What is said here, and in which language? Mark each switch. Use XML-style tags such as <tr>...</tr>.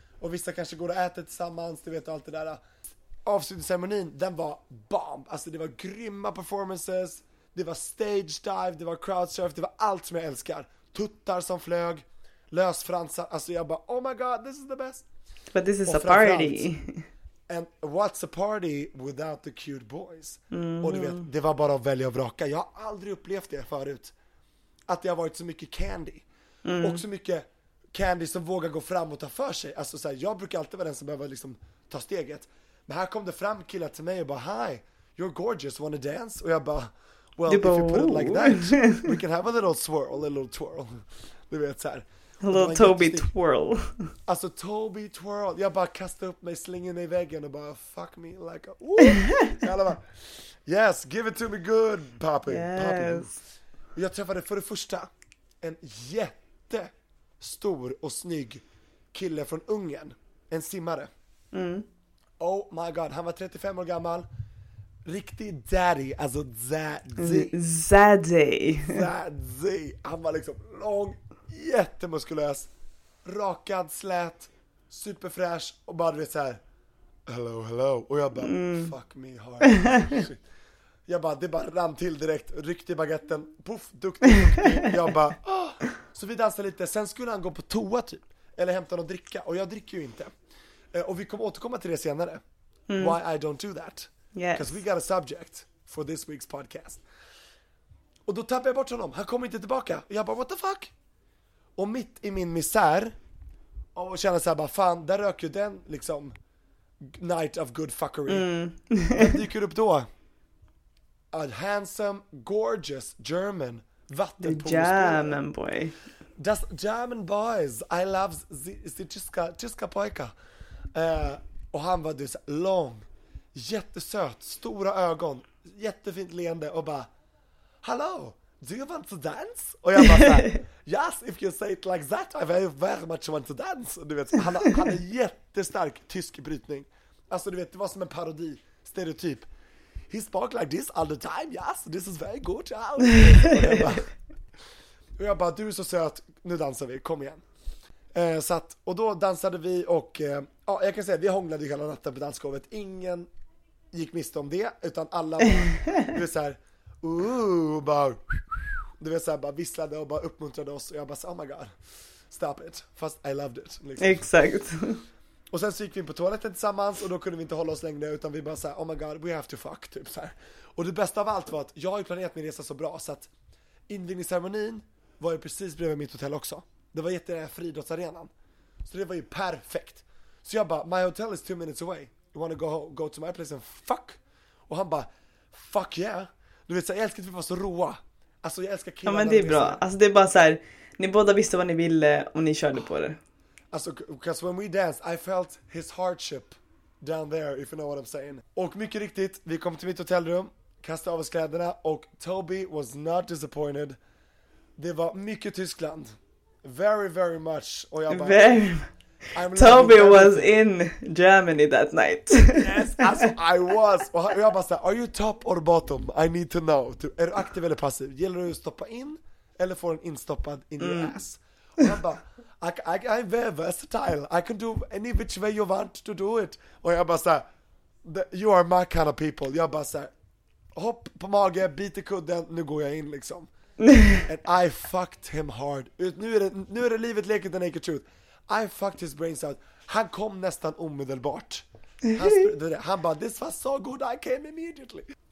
<sv>Och vissa kanske går och äter tillsammans, du vet, och allt det där. Avslutningsceremonin, den var bomb. Alltså det var grymma performances. Det var stage dive, det var crowdsurf. Det var allt som jag älskar. Tuttar som flög, lösfransar. Alltså jag bara,</sv> <en>oh my god, this is the best. But this is a party. And what's a party without the cute boys? Mm.</en> <sv>Och du vet, det var bara att välja och vraka. Jag har aldrig upplevt det förut. Att det har varit så mycket candy. Mm. Och så mycket candy som vågar gå fram och ta för sig. Alltså så här, jag brukar alltid vara den som behöver liksom ta steget. Men här kom det fram killar till mig och bara,</sv> <en>hi, you're gorgeous, wanna dance?</en> <sv>Och jag bara,</sv> <en>well, if you put it like that, we can have a little swirl, a little twirl.</en> <sv>Du vet så här.</sv> <en>A little Toby twirl.</en> <sv>Alltså Toby twirl. Jag bara kastade upp mig, slingade mig i väggen och bara,</sv> <en>fuck me like a,</en> <sv>ooh.</sv> <en>Yes, give it to me good, Poppy. Yes. Poppy.</en> <sv>Jag träffade för det första en jättestor och snygg kille från Ungern. En simmare. Mm. Oh my god, han var 35 år gammal. Riktig daddy. Alltså daddy. Han var liksom lång, jättemuskulös, rakad, slät, superfräsch. Och bara så här,</sv> <en>hello, hello.</en> <sv>Och jag bara,</sv> <en>fuck me hard.</en> <sv>Jag bara, det bara rann till direkt. Ryckte i baguetten, puff, duktig. Jag bara, oh. Så vi dansade lite, sen skulle han gå på toa typ. Eller hämta någon dricka, och jag dricker ju inte. Och vi kommer återkomma till det senare.</sv> <en>Mm. Why I don't do that. Because we got a subject for this week's podcast.</en> <sv>Och då tappar jag bort honom. Han kommer inte tillbaka. Och jag bara,</sv> <en>what the fuck?</en> <sv>Och mitt i min misär. Och känner så här, bara, fan, där röker ju den liksom.</sv> <en>Night of good fuckery. Mm.</en> <sv>Vem dyker upp då?</sv> <en>A handsome, gorgeous German</en> <sv>vattenpolisbord.</sv> <en>German boy. Just German boys. I love the</en> <sv>tyska pojka. Och han var så lång, jättesöt, stora ögon, jättefint leende och bara,</sv> <en>hello, do you want to dance?</en> <sv>Och jag bara,</sv> <en>yes, if you say it like that, I very much want to dance.</en> <sv>Du vet, han är jättestark tysk brytning. Alltså du vet, det var som en parodi, stereotyp.</sv> <en>He spoke like this all the time, yes, this is very good.</en> <sv>Och jag bara, Och jag bara, du är så söt, nu dansar vi, kom igen. Så att, och då dansade vi och ja, jag kan säga, vi hånglade hela natten på dansgolvet. Ingen gick miste om det, utan alla bara, du vet, så här, bara, du vet, så här, bara visslade och bara uppmuntrade oss. Och jag bara,</sv> <en>oh my god, stop it,</en> <sv>fast</sv> <en>I loved it.</en> <sv>Liksom. Exakt. Och sen så gick vi in på toaletten tillsammans och då kunde vi inte hålla oss längre, utan vi bara så här,</sv> <en>oh my god, we have to fuck,</en> <sv>typ så här. Och det bästa av allt var att jag har ju planerat min resa så bra, så att invigningsceremonin var ju precis bredvid mitt hotell också. Det var jätte där friidrottsarenan. Så det var ju perfekt. Så jag bara,</sv> <en>my hotel is 2 minutes away. You wanna go to my place and fuck?</en> <sv>Och han bara,</sv> <en>fuck yeah.</en> <sv>Du vet så här, jag älskar att vi var så roa. Alltså jag älskar killarna. Ja men det är bra. Alltså det är bara så här, ni båda visste vad ni ville och ni körde på det. Alltså,</sv> <en>because when we danced, I felt his hardship down there, if you know what I'm saying.</en> <sv>Och mycket riktigt, vi kom till mitt hotellrum, kastade av oss kläderna och</sv> <en>Toby was not disappointed.</en> <sv>Det var mycket Tyskland.</sv> <en>Very, very much.</en> <sv>Och jag bara,</sv> <en>very. Toby was in Germany that night. Yes,</en> <sv>alltså,</sv> <en>I was.</en> <sv>Och jag bara såhär,</sv> <en>are you top or bottom? I need to know.</en> <sv>Är du aktiv eller passiv? Gäller du att stoppa in eller får den instoppad</sv> <en>in your ass?</en> <sv>Och han bara,</sv> <en>I'm very versatile, I can do any which way you want to do it.</en> <sv>Och jag bara såhär,</sv> <en>you are my kind of people.</en> <sv>Jag bara såhär, hopp på mage, bit i kudden, nu går jag in liksom.</sv> <en>And I fucked him hard.</en> <sv>Nu är det livet leket</sv> <en>the naked truth. I fucked his brains out.</en> <sv>Han kom nästan omedelbart. Han bara,</sv> <en>this was so good, I came immediately.</en>